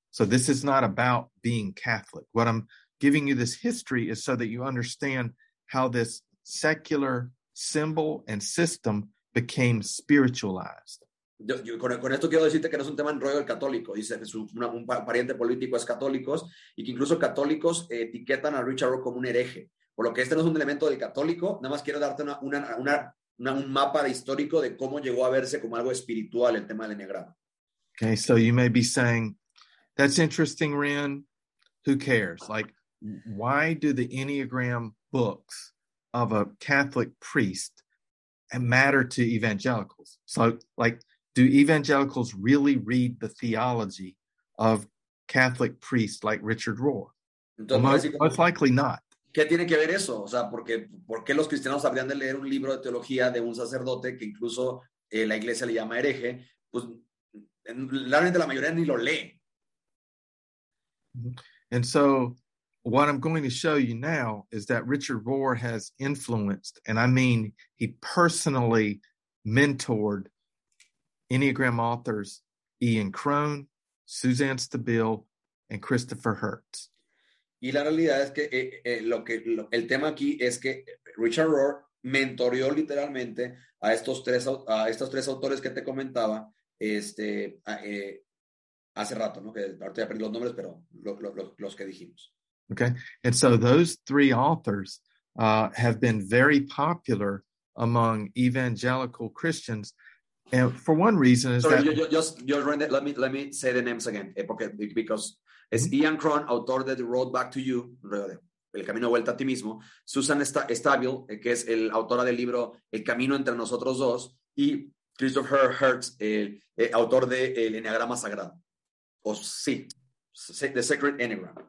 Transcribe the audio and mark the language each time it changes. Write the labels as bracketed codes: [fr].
[en] So this is not about being Catholic. What I'm giving you this history is so that you understand how this secular symbol and system became spiritualized. [es] Con esto quiero decirte que no es un tema en rollo del católico. Dice que un pariente político es católico y que incluso católicos etiquetan a Richard Rohr como un hereje. Por lo que este no es un elemento del católico, nada más quiero darte un mapa histórico de cómo llegó a verse como algo espiritual el tema del enneagrama. [en] Okay, so you may be saying, that's interesting, Ren. Who cares? Like, why do the Enneagram books of a Catholic priest matter to evangelicals? So, like, do evangelicals really read the theology of Catholic priests like Richard Rohr? [es] Entonces, [en] most likely not. [es] ¿Qué tiene que ver eso? O sea, ¿por qué los cristianos habrían de leer un libro de teología de un sacerdote que incluso la iglesia le llama hereje? Pues, realmente la mayoría ni lo lee. [en] And so, what I'm going to show you now is that Richard Rohr has influenced, and I mean he personally mentored Enneagram authors Ian Crone, Suzanne Stabile, and Christopher Hertz. [es] Y la realidad es que el tema aquí es que Richard Rohr mentoreó literalmente a estos tres autores que te comentaba hace rato, ¿no? Que ahorita ya perdí los nombres, pero los que dijimos. [en] Okay, and so those three authors have been very popular among evangelical Christians. And for one reason is sorry, that let me say the names again because it's mm-hmm. [es] Ian Crone, [en] author of The Road Back to You, [es] El Camino Vuelta a Ti Mismo, Susan Stabile, que es el autora del libro El Camino Entre Nosotros Dos, y Christopher Hertz, el autor de El Enneagrama Sagrado, The Sacred Enneagram.